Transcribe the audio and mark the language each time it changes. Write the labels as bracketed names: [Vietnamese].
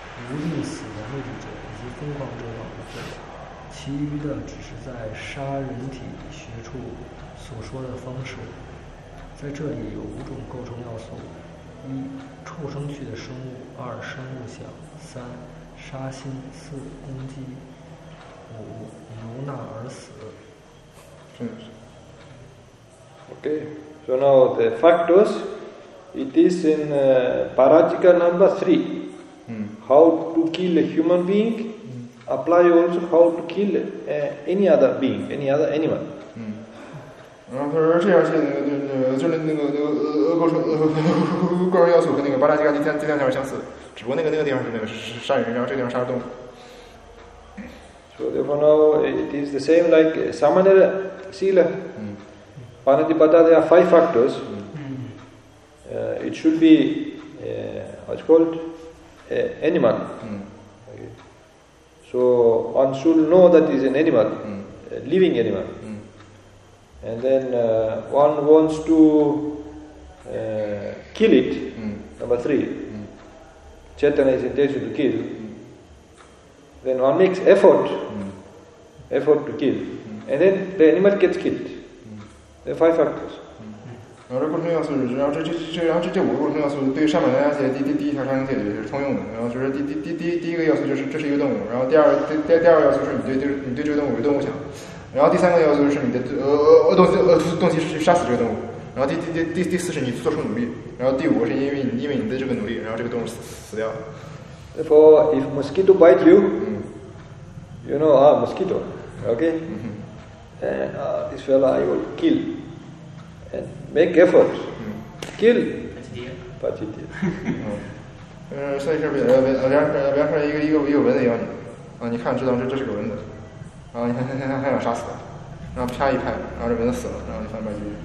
[Chinese] 无意死的目的者，以及疯狂者等的罪，其余的只是在杀人体学处所说的方式。在这里有五种构成要素：一、畜生去的生物；二、生物想；三、杀心；四、攻击；五、由那而死。 [English] Okay, so now the factors, it is in Parajika number 3, how to kill a human being, apply also how to kill any other being, any other animal. [Chinese] 然后他说这样去，就是恶构成要素和那个巴拉吉嘎尼第三条相似，只不过那个地方是那个杀人，然后这个地方杀动物。 [English] So therefore now it is the same like Samanera Sila. Panadipata, there are 5 factors. It should be, how it's called, animal. Okay. So one should know that it is an animal, a living animal. And then one wants to kill it, number 3. Chetana is intention to kill. Then one makes effort to kill. And then the animal gets killed. The 5 factors. [Chinese] 然后这过程要素是，然后这五个过程要素对上面的那些第一条场景解决是通用的。然后就是第一个要素就是这是一个动物，然后第二个要素是你对这个动物有动物想，然后第三个要素是你的动机是杀死这个动物，然后第四是你做出努力，然后第五个是因为你的这个努力，然后这个动物死掉。 [English] Therefore, if mosquito bite you, you know a mosquito, okay? And this fellow I will kill and make effort. Kill. But it did. [Chinese] 所以是比方说一个蚊子咬你，你看知道这是个蚊子，你还想杀死它，然后啪一拍，然后这蚊子死了，然后你翻白眼。